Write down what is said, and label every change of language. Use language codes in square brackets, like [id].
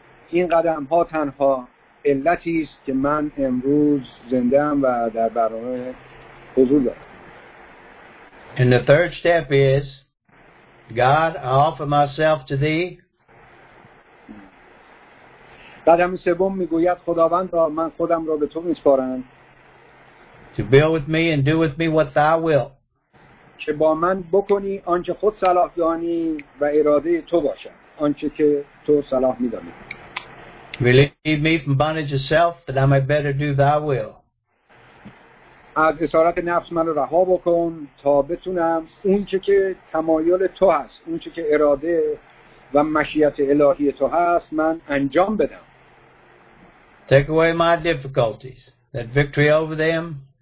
[fa] این قدم ها تنها علتی است که من امروز زنده ام و در برنامه حضور دارم. [en] And the third step is, God, I offer myself to thee. [fa] قدم سوم میگوید خداوند را من خودم را به تو میسپارم. [en] To build with me and do with me what thou wilt. [fa] که با من بکنی آنچه خود صلاح دانی و اراده تو باشد، آنچه که تو صلاح می‌دانی. [en] Relieve me from bondage of self that I may better do thy will. [fa] از اسارت نفس من رها بکن تا بتونم اونچه که تمایل تو هست، اونچه که اراده و مشیت الهی تو هست، من انجام بدم. [en] Take away my difficulties that victory over them.